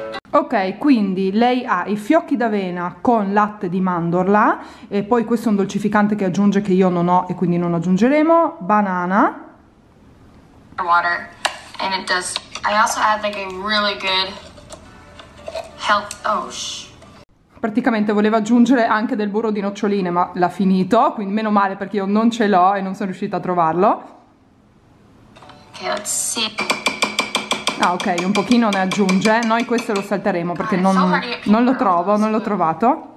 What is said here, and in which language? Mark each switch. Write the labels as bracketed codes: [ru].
[it] Ok, quindi lei ha i fiocchi d'avena con latte di mandorla, e poi questo è un dolcificante che aggiunge che io non ho e quindi non aggiungeremo, banana. [en] Water, and it does, I also add like a really good health, [it] Praticamente voleva aggiungere anche del burro di noccioline, ma l'ha finito, quindi meno male perché io non ce l'ho e non sono riuscita a trovarlo. [en] Ok, let's see. [it] Ah ok, un pochino ne aggiunge, noi questo lo salteremo perché non lo trovo, non l'ho trovato.